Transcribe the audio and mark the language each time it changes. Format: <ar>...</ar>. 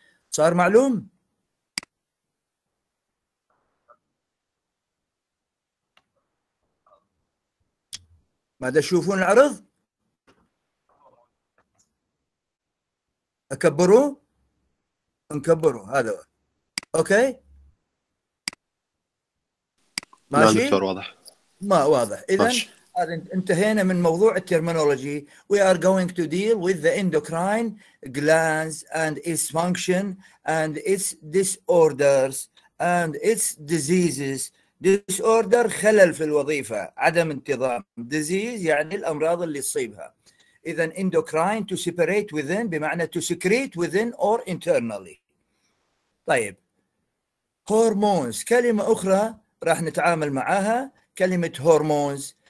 <ar>صار معلوم؟ ماذا تشوفون العرض؟ أكبروا؟ انكبروا هذا هو. أوكي؟ ماشي؟ لا دكتور واضح. ما واضح. إذن انتهينا من موضوع الترمينولوجي.</ar> <en>We are going to deal with the endocrine glands and its function and its disorders and its diseases.</en> <ar>Disorder خلل في الوظيفة، عدم انتظام. Disease يعني الأمراض اللي تصيبها. إذا</ar> <en>endocrine to separate within</en> <ar>بمعنى</ar> <en>to secrete within or internally.</en> <ar>طيب hormones كلمة أخرى راح نتعامل معها، كلمة hormones.</ar>